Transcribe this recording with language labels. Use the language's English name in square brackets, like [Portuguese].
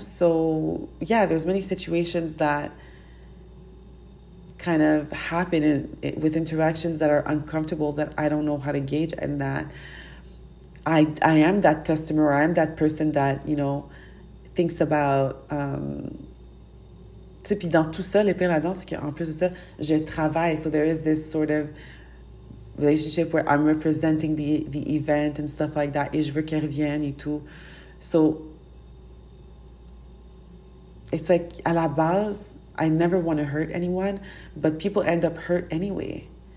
[English] So, yeah, there's many situations that kind of happen with interactions that are uncomfortable, that I don't know how to gauge, and that I am that customer, or I am that person that, you know, thinks about. [French] Tu sais, puis dans tout ça, le pire là-dedans, c'est qu'en plus de ça, je travaille. [English] So there is this sort of relationship where I'm representing the event and stuff like that. [French] Et je veux qu'elle revienne et tout. [English] So it's like, [French] à la base, [English] I never want to hurt anyone, but people end up hurt anyway.